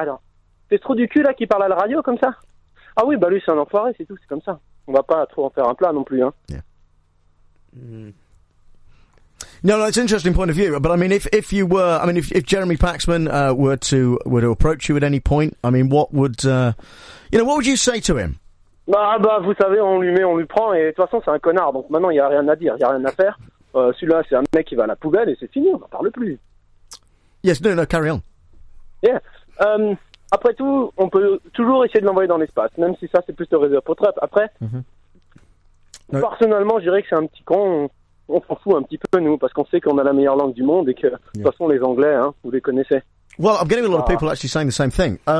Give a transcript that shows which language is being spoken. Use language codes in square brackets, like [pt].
[fr] Alors, c'est trop du cul, là, qui parle à la radio, comme ça? Ah oui, bah lui, c'est un enfoiré, c'est tout, c'est comme ça. On va pas trop en faire un plat, non plus, hein. [en] Yeah. No, it's an interesting point of view, but I mean, if Jeremy Paxman were to approach you at any point, I mean, what would you say to him? [fr] Bah, vous savez, on lui prend, et de toute façon, c'est un connard, donc maintenant, il n'y a rien à dire, il n'y a rien à faire. Celui-là, c'est un mec qui va à la poubelle, et c'est fini, on n'en parle plus. [en] Yes, no, carry on. Yeah. [fr] Après tout, on peut toujours essayer de l'envoyer dans l'espace, même si ça, c'est plus de réserve pour Trump. Après, personnellement, je dirais que c'est un petit con... On s'en fout un petit peu, nous, parce qu'on sait qu'on a la meilleure langue du monde et que, de toute façon, les Anglais, hein, vous les connaissez. [en] Well, I'm getting a lot of people actually saying the same thing.